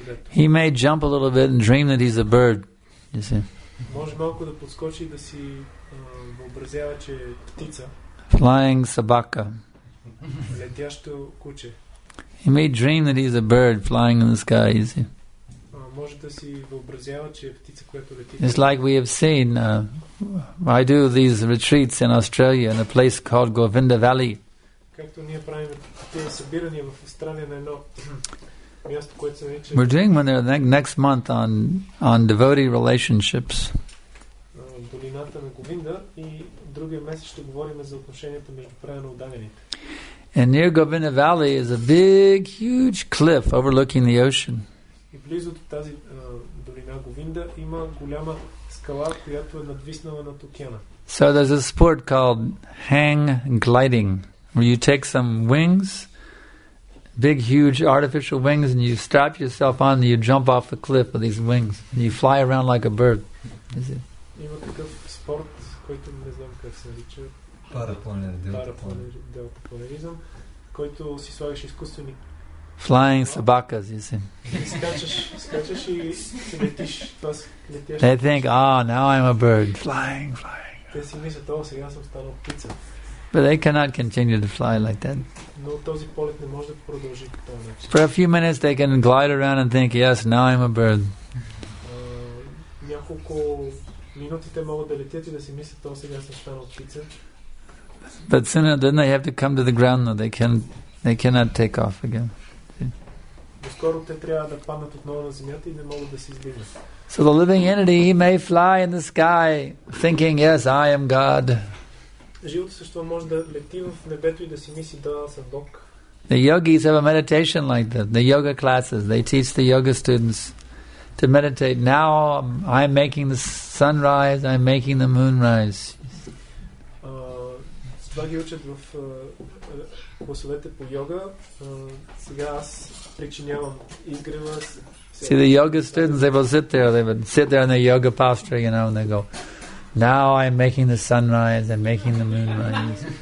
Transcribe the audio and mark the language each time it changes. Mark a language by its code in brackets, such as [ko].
[en] He may jump a little bit and dream that he's a bird, you see. [bg] Може малко да подскочи да си въобразява, че е птица. [en] Flying собака. [bg] Летящо куче. [en] He may dream that he's a bird flying in the sky. [bg] Може да си въобразява, че е птица, която лети. [en] It's like we have seen. I do these retreats in Australia in a place called Govinda Valley. [bg] Както ние правим тези събирания в Австралия на едно място, което се нарича. [en] We're doing one there next month on devotee relationships. [bg] Долината на Говинда и другия месец ще говорим за отношенията между правилно отдадените. [en] And near Govinda Valley is a big, huge cliff overlooking the ocean. [bg] И близо до тази долина Говинда има голяма скала, която е надвиснала над океана. [en] So there's a sport called hang gliding, where you take some wings, big, huge artificial wings, and you strap yourself on, and you jump off the cliff with these wings, and you fly around like a bird. Is it? [bg] Има такъв спорт, който не знам как се нарича. Парапланеризъм, който си слагаш изкуствени. [en] Flying sabakas, you see. [bg] Скачаш и се летиш. [en] They think, ah, now I'm a bird. Flying. [bg] Те си мислят, о, сега съм станал птица. [en] But they cannot continue to fly like that. [bg] Но този полет не може да продължи по този начин. [en] For a few minutes they can glide around and think, yes, now I'm a bird. [bg] Няколко минути те могат да летят и да си мислят, о, сега съм станал птица. [en] But sooner then they have to come to the ground, though they cannot take off again. [bg] Скоро те трябва да паднат отново на земята и не могат да се издигнат. [en] So the living entity, he may fly in the sky, thinking, yes, I am God. [bg] Живото същество може да лети в небето и да си мисли, да, съм Бог. [en] The yogis have a meditation like that. The yoga classes, they teach the yoga students to meditate. Now I'm making the sun rise, I'm making the moon rise. [bg] Това ги учат в класовете по йога. Сега аз причинявам изгрева. [en] See, the yoga students, they will sit there. They will sit there in their yoga posture, you know, and they go, now I'm making the sun rise, I'm making the moon rise.